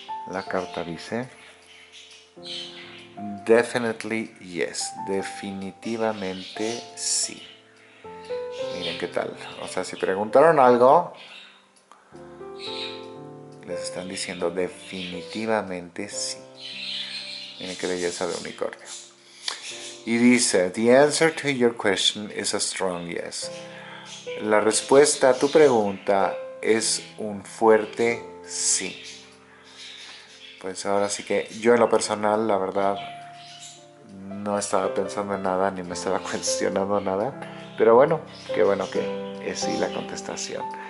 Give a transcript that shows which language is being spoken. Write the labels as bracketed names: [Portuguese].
[Spanish] La carta dice, [English] definitely yes, [Spanish] definitivamente sí. Miren qué tal, o sea, si preguntaron algo, les están diciendo definitivamente sí. Miren qué belleza de unicornio. Y dice, [English] the answer to your question is a strong yes. [Spanish] La respuesta a tu pregunta es un fuerte sí. Pues ahora sí que yo, en lo personal, la verdad, no estaba pensando en nada ni me estaba cuestionando nada, pero bueno que es sí la contestación.